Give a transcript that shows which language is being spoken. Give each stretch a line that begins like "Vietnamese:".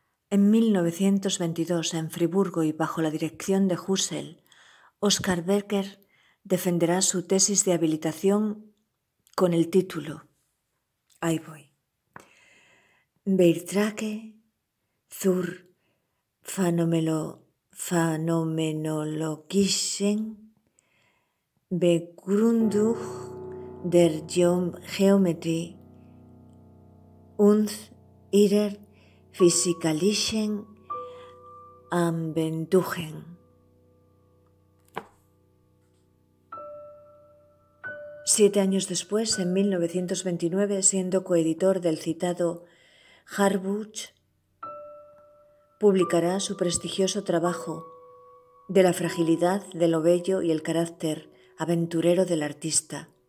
Spanish: En 1922, en Friburgo y bajo la dirección de Husserl, Oscar Becker defenderá su tesis de habilitación con el título Ahí voy.
German: Beitrage zur phänomenologischen Begründung der Geometrie und ihrer physikalischen Anwendungen.
Spanish: Siete años después, en 1929, siendo coeditor del citado Harbuch, publicará su prestigioso trabajo de la fragilidad de lo bello y el carácter aventurero del artista.